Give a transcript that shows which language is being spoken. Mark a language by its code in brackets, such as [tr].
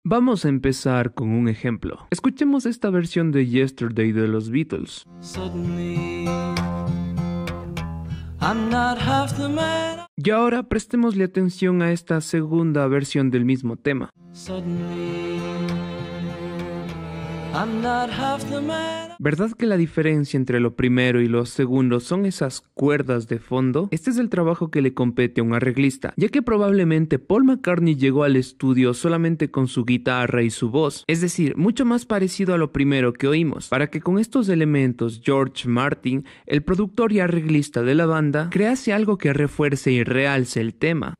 [es] Vamos a empezar con un ejemplo. Escuchemos esta versión de Yesterday de los Beatles. [en] Suddenly, I'm not half the man. [es] Y ahora prestémosle atención a esta segunda versión del mismo tema. [en] Suddenly, I'm not half the man. [es] ¿Verdad que la diferencia entre lo primero y lo segundo son esas cuerdas de fondo? Este es el trabajo que le compete a un arreglista, ya que probablemente Paul McCartney llegó al estudio solamente con su guitarra y su voz, es decir, mucho más parecido a lo primero que oímos, para que con estos elementos George Martin, el productor y arreglista de la banda, crease algo que refuerce y realce el tema.